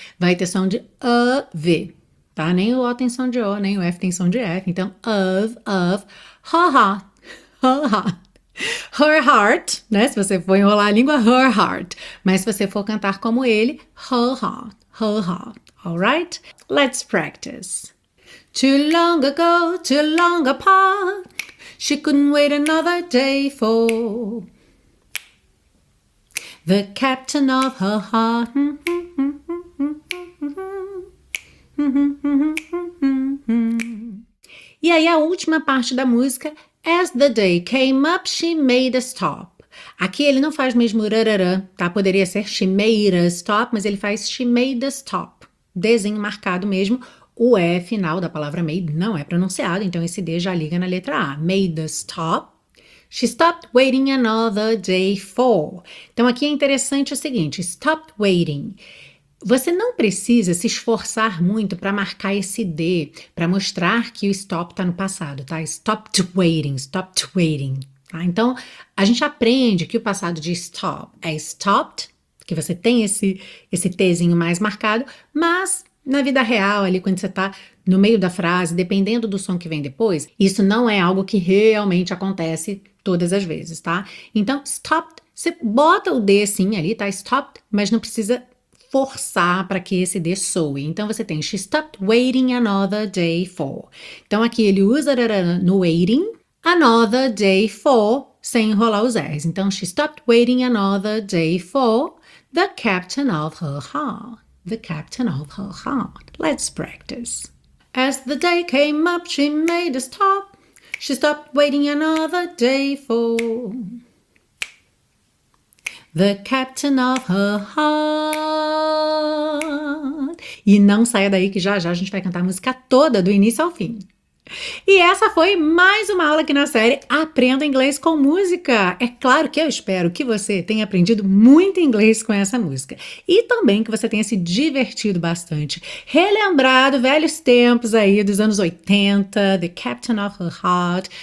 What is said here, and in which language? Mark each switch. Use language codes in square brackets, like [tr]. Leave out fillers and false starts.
[pt] Vai ter som de OV, tá? Nem o O tem som de O, nem o F tem som de F. Então, of, ha, ha, ha. Her heart, né? Se você for enrolar a língua, [en] her heart. [pt] Mas se você for cantar como ele, ha, ha, ha, ha. [en] All right? Let's practice. Too long ago, too long apart, she couldn't wait another day for the captain of her heart. [pt] E aí, a última parte da música. [en] As the day came up, she made a stop. [pt] Aqui ele não faz mesmo rararã, tá? Poderia ser [en] she made a stop, [pt] mas ele faz [en] she made a stop. [pt] Dzinho marcado mesmo. O E final da palavra made não é pronunciado, então esse D já liga na letra A. [en] Made a stop. She stopped waiting another day for. [pt] Então aqui é interessante o seguinte: [en] stopped waiting. [pt] Você não precisa se esforçar muito para marcar esse D, para mostrar que o stop está no passado, tá? [en] Stopped waiting, stopped waiting. [pt] Tá? Então a gente aprende que o passado de stop é stopped, que você tem esse Tzinho mais marcado, mas na vida real, ali, quando você está no meio da frase, dependendo do som que vem depois, isso não é algo que realmente acontece todas as vezes, tá? Então, stopped, você bota o D assim ali, tá? Stopped, mas não precisa forçar para que esse D soe. Então, você tem [en] she stopped waiting another day for. [pt] Então, aqui ele usa no waiting, [en] another day for, [pt] sem enrolar os R's. [en] Então, she stopped waiting another day for the captain of her heart. The captain of her heart. Let's practice. As the day came up, she made a stop. She stopped waiting another day for the captain of her heart. [pt] E não saia daí que já já a gente vai cantar a música toda do início ao fim. E essa foi mais uma aula aqui na série Aprenda Inglês com Música. É claro que eu espero que você tenha aprendido muito inglês com essa música. E também que você tenha se divertido bastante, relembrado velhos tempos aí dos anos 80, The Captain of Her Heart.